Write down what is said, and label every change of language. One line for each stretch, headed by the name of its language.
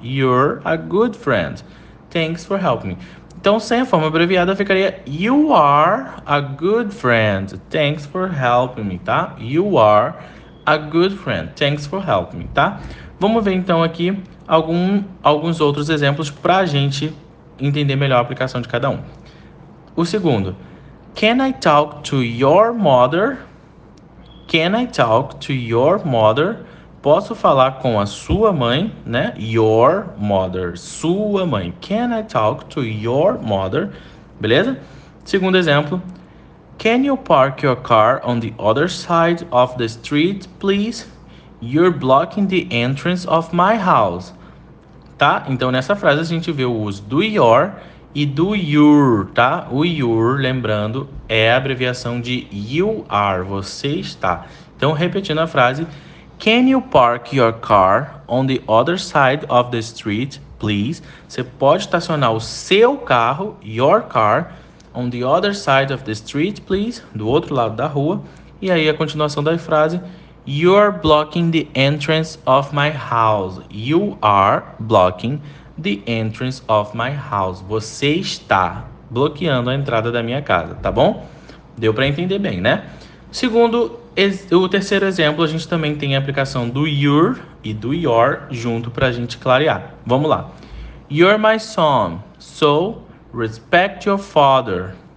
English: You're a good friend. Thanks for helping me.
Portuguese: Então, sem a forma abreviada, ficaria
English: You are a good friend. Thanks for helping me,
Portuguese: tá?
English: You are a good friend. Thanks for helping me,
Portuguese: tá? Vamos ver então aqui alguns outros exemplos para a gente entender melhor a aplicação de cada um. O segundo,
English: can I talk to your mother? Can I talk to your mother?
Portuguese: Posso falar com a sua mãe, né?
English: Your mother,
Portuguese: sua mãe.
English: Can I talk to your mother?
Portuguese: Beleza? Segundo exemplo,
English: can you park your car on the other side of the street, please? You're blocking the entrance of my house.
Portuguese: Tá? Então nessa frase a gente vê o uso do your e do your, tá? O your, lembrando, é a abreviação de you are, você está. Então, repetindo a frase,
English: can you park your car on the other side of the street, please?
Portuguese: Você pode estacionar o seu carro,
English: your car, on the other side of the street, please?
Portuguese: Do outro lado da rua. E aí a continuação da frase,
English: you're blocking the entrance of my house. You are blocking the entrance of my house.
Portuguese: Você está bloqueando a entrada da minha casa, tá bom? Deu para entender bem, né? Segundo, o terceiro exemplo, a gente também tem a aplicação do your e do your junto para a gente clarear. Vamos lá.
English: You're my son, so respect your father.